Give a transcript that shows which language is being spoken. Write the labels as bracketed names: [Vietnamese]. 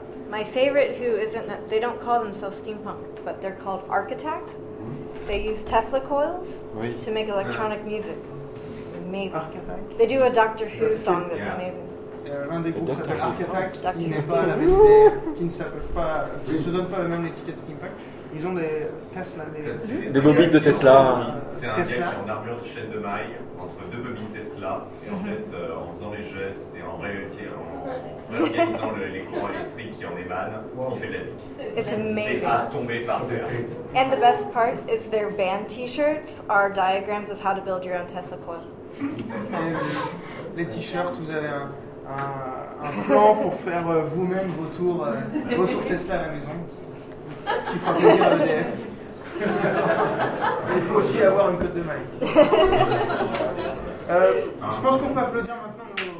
[English] My favorite, who isn't, they don't call themselves steampunk, but they're called Architect. Mm-hmm. They use Tesla coils to make electronic music. It's amazing. Architect. They do a Doctor Who song that's amazing. [French] L'un des groupes s'appelle Architect, qui n'est pas la même idée, qui ne s'appelle pas, qui se donne pas la même étiquette steampunk. Ils ont des Tesla, des bobines de Tesla. C'est un gars qui est en armure de chaîne de maille entre deux bobines Tesla. Et en fait, en faisant les gestes et en réutilisant les courants électriques qui en émanent, il fait de la zik. C'est amazing. C'est pas tombé par terre. [English] And the best part is their band t-shirts are diagrams of how to build your own Tesla coil. [French] Les t-shirts, vous avez un plan pour faire vous-même vos tours Tesla à la maison. Tu feras plaisir à EDF. Il faut aussi avoir une cote de mic. Je pense qu'on peut applaudir maintenant.